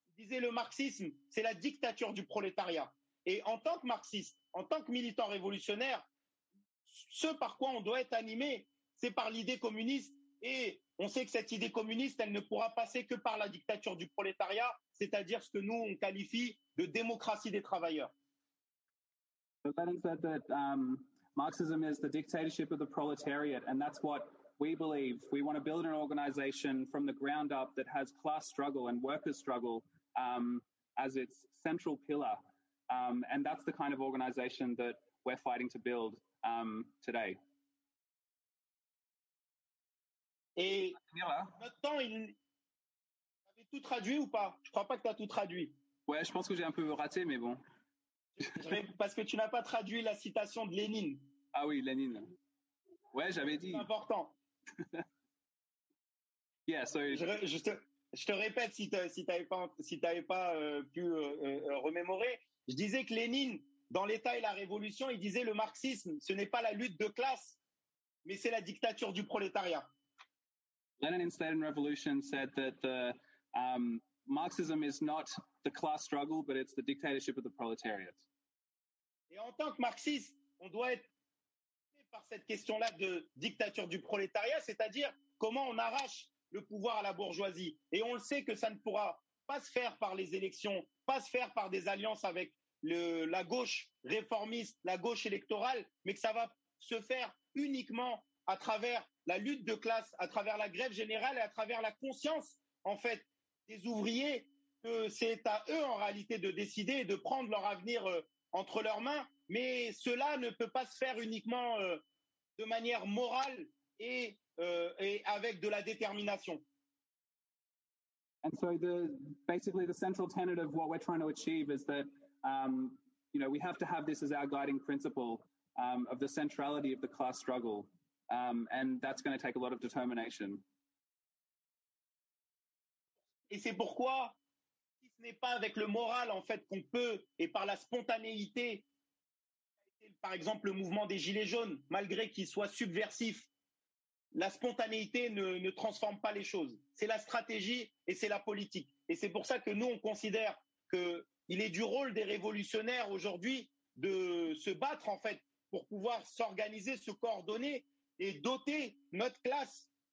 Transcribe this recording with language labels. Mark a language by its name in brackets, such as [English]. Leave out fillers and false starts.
[French] Il disait, le marxisme, c'est la dictature du prolétariat. Et en tant que marxiste, en tant que militant révolutionnaire, ce par quoi on doit être animé, c'est par l'idée communiste. Et on sait que cette idée communiste, elle ne pourra passer que par la dictature du prolétariat, c'est-à-dire ce que nous, on qualifie de démocratie des travailleurs. [English] So that is that Marxism is the dictatorship of the proletariat, and that's what we believe. We want to build an organization from the ground up that has class struggle and workers' struggle as its central pillar. And that's the kind of organization that we're fighting to build today. [French] Et notre temps, il. Tu avais tout traduit ou pas? Je crois pas que tu as tout traduit. Ouais, je pense que j'ai un peu raté, mais bon. Parce que tu n'as pas traduit la citation de Lénine. Ah oui, Lénine. Ouais, j'avais dit. C'est important. [English] Yeah, so. [French] Je te répète si tu n'avais pas pu remémorer. Je disais que Lénine, dans l'État et la Révolution, il disait le marxisme, ce n'est pas la lutte de classe, mais c'est la dictature du prolétariat. [English] Lenin in State and Revolution said that Marxism is not the class struggle, but it's the dictatorship of the proletariat. [French] Et en tant que marxiste, on doit être fasciné par cette question-là de dictature du prolétariat, c'est-à-dire comment on arrache le pouvoir à la bourgeoisie. Et on le sait que ça ne pourra pas se faire par les élections, pas se faire par des alliances avec la gauche réformiste, la gauche électorale, mais que ça va se faire uniquement à travers la lutte de classe, à travers la grève générale et à travers la conscience, en fait, des ouvriers, que c'est à eux, en réalité, de décider et de prendre leur avenir entre leurs mains. Mais cela ne peut pas se faire uniquement de manière morale et avec de la détermination. [English] And so basically the central tenet of what we're trying to achieve is that, you know, we have to have this as our guiding principle of the centrality of the class struggle. And that's going to take a lot of determination. [French] Et c'est pourquoi, si ce n'est pas avec le moral, en fait, qu'on peut, et par la spontanéité, par exemple, le mouvement des Gilets jaunes, malgré qu'il soit subversif, la spontanéité ne transforme pas les choses. C'est la stratégie et c'est la politique. Et c'est pour ça que nous, on considère qu'il est du rôle des révolutionnaires aujourd'hui de se battre, en fait, pour pouvoir s'organiser, se coordonner et doter notre classe.